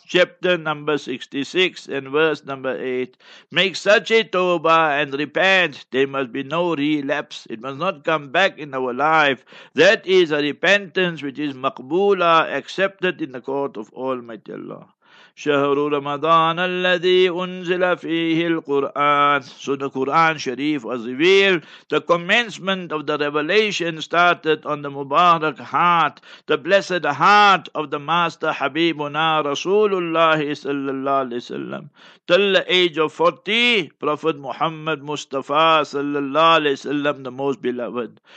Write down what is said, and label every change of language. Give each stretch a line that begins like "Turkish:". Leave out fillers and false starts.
English: Chapter number 66 and verse number 8. Make such a tawbah and repent. There must be no relapse. It must not come back in our life. That is a repentance which is maqboola, accepted in the court of Almighty Allah.
Arabic: شهر رمضان الذي أنزل فيه القرآن.
English: So the Quran Sharif was revealed. The commencement of the revelation started on the Mubarak heart, the blessed heart of the Master Habibuna Rasulullah sallallahu alaihi wasallam. Till the age of 40, Prophet Muhammad Mustafa sallallahu alaihi wasallam, the most beloved.